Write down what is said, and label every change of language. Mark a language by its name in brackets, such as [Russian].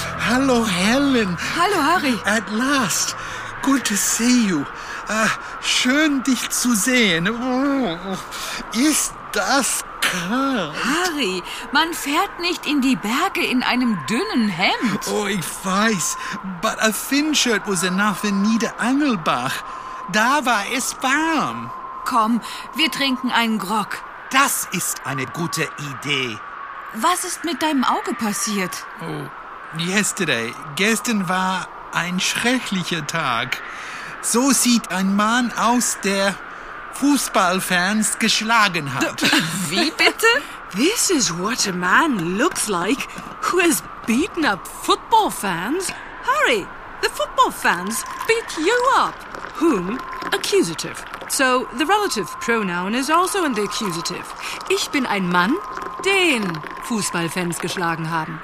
[German] Hallo, Helen. Hallo, Harry. [English] At last. Good to see you. [German] Schön, dich zu sehen. Ist das kalt? Harry, man fährt nicht in die Berge in einem dünnen Hemd. Oh, ich weiß. [English] But a thin shirt was enough in Niederangelbach. [German] Da war es warm. Komm, wir trinken einen Grog. Das ist eine gute Idee. Was ist mit deinem Auge passiert? [English] Oh, yesterday. [German] Gestern war ein schrecklicher Tag. So sieht ein Mann aus, der Fußballfans geschlagen hat. Wie bitte? [English] This is what a man looks like who has beaten up football fans. Harry, the football fans beat you up. Whom? Accusative. So the relative pronoun is also in the accusative. [German] Ich bin ein Mann, den Fußballfans geschlagen haben.